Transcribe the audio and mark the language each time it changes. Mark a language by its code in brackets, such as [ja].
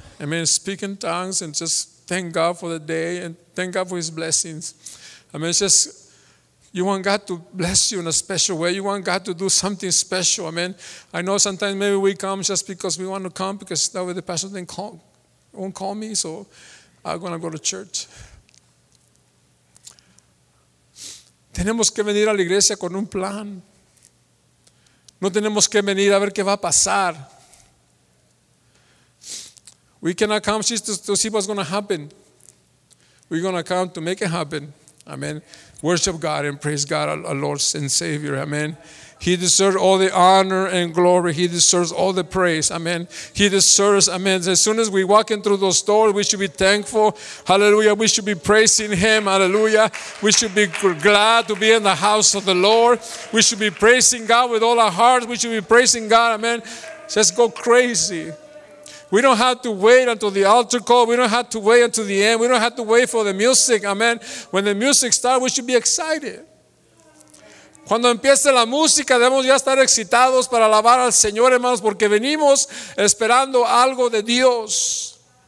[en] I mean, speak in tongues and just thank God for the day and thank God for his blessings. I mean, it's just, you want God to bless you in a special way. You want God to do something special. I mean, I know sometimes maybe we come just because we want to come because that way the pastor won't call me, so I'm going to go to church. [es] Tenemos que venir a la iglesia con un plan. No tenemos que venir a ver qué va a pasar. [en] We cannot come just to see what's going to happen. We're going to come to make it happen. Amen. Worship God and praise God, our Lord and Savior. Amen. He deserves all the honor and glory. He deserves all the praise. Amen. He deserves, amen. As soon as we walk in through those doors, we should be thankful. Hallelujah. We should be praising him. Hallelujah. We should be glad to be in the house of the Lord. We should be praising God with all our hearts. We should be praising God. Amen. Just go crazy. We don't have to wait until the altar call. We don't have to wait until the end. We don't have to wait for the music. Amen. When the music starts, we should be excited. [es] Cuando empiece la música, debemos ya estar excitados para alabar al Señor, hermanos, porque venimos esperando algo de Dios.